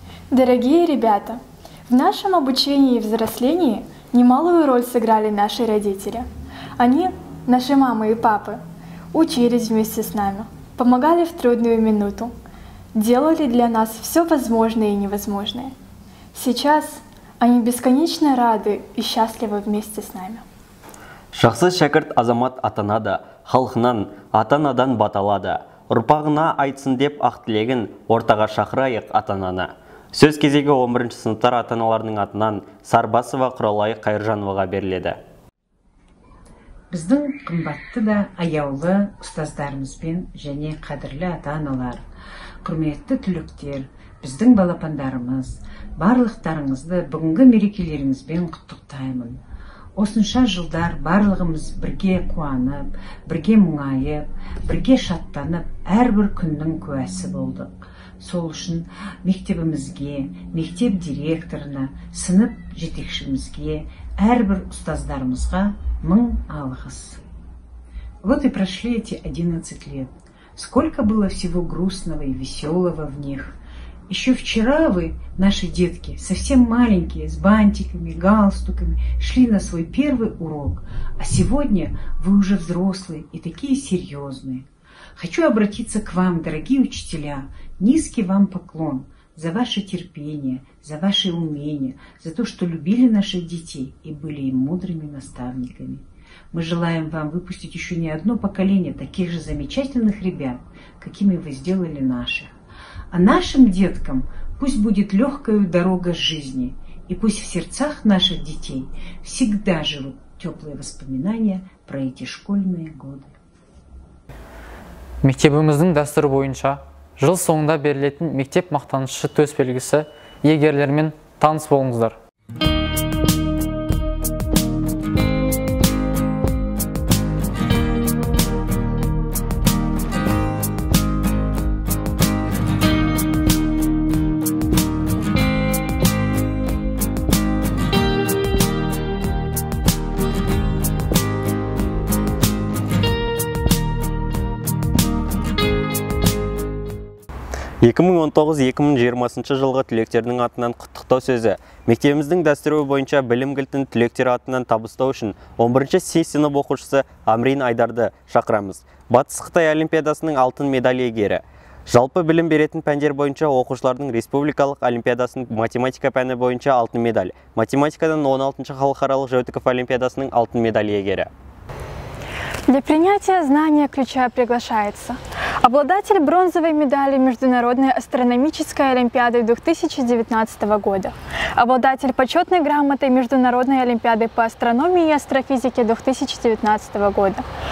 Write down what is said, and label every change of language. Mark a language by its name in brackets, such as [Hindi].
[Russian] Дорогие ребята, в нашем обучении и взрослении немалую роль сыграли наши родители. Они, наши мамы и папы, учились вместе с нами, помогали в трудную минуту, делали для нас все возможное и невозможное. Сейчас они бесконечно рады и счастливы вместе с нами. [Kazakh] Жақсы шәкірт азамат атанады, халқынан, ата-анадан баталады. Ұрпағына айтсын деп ақ тілегін ортаға шақырайық ата-ананы. Сөз кезегі 11-ші сыныптар ата-аналарының атынан Сарбасова Құралай Қайыржановаға беріледі. Біздің қымбатты да аяулы ұстаздарымызбен және қадірлі ата-аналар, құрметті түлектер, біздің балапандарымыз, барлықтарыңызды бүгінгі мерекелеріңізбен құттықтаймын. Осынша жылдар барлығымыз бірге қуанып, бірге мұңайып, бірге шаттанып, әрбір күннің куәсі болдық. Сол үшін мектебімізге, мектеп директорына, сынып жетекшімізге, әрбір ұстаздарымызға мың алғыс. [Russian] Вот и прошли эти 11 лет. Сколько было всего грустного и веселого в них. Еще вчера вы, наши детки, совсем маленькие, с бантиками, галстуками, шли на свой первый урок, а сегодня вы уже взрослые и такие серьезные. Хочу обратиться к вам, дорогие учителя, низкий вам поклон за ваше терпение, за ваши умения, за то, что любили наших детей и были им мудрыми наставниками. Мы желаем вам выпустить еще не одно поколение таких же замечательных ребят, какими вы сделали наших. А нашим деткам пусть будет легкая дорога жизни, и пусть в сердцах наших детей всегда живут теплые воспоминания про эти школьные годы. [Kazakh] Мектебіміздің дәстүрі бойынша жыл соңында берілетін мектеп мақтанышы төсбелгісі иегерлерімен таныс болыңыздар. Жылғы түлектердің атынан құттықтау сөзі. Мектебіміздің дәстүрі бойынша білім кілтін түлектері атынан табыстау үшін 11-ші сынып оқушысы Амрин Айдарды шақырамыз. Батыс Қытай олимпиадасының алтын медаль иегері. Жалпы білім беретін пәндер бойынша оқушылардың республикалық олимпиадасының математика пәні бойынша алтын медаль. Математикадан 16-ші халықаралық Жәутіков олимпиадасының алтын медаль иегері. [Russian] Для принятия знания ключа приглашается обладатель бронзовой медали Международной астрономической олимпиады 2019 года, обладатель почетной грамоты Международной олимпиады по астрономии и астрофизике 2019 года,